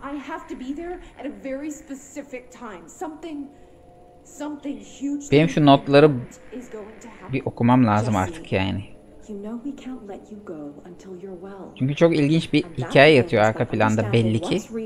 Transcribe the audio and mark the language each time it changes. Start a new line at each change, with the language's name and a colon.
English: I have to be there at a very specific time. Something huge.
Turkish: Benim şu notları bir okumam lazım artık yani.
English: You know we can't let you go until you're well.
Turkish: Çünkü çok ilginç bir hikaye yatıyor arka planda belli ki.